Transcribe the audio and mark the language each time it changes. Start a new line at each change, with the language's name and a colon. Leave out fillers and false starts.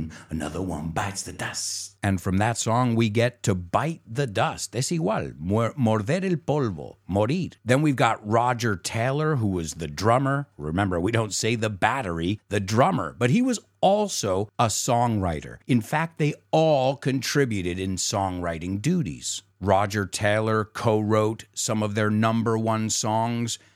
English: Another one bites the dust. And from that song, we get to bite the dust.
Spanish: Es igual, morder el polvo, morir.
English: Then we've got Roger Taylor, who was the drummer. Remember, we don't say the battery, the drummer. But he was also a songwriter. In fact, they all contributed in songwriting duties. Roger Taylor co-wrote some of their number one songs.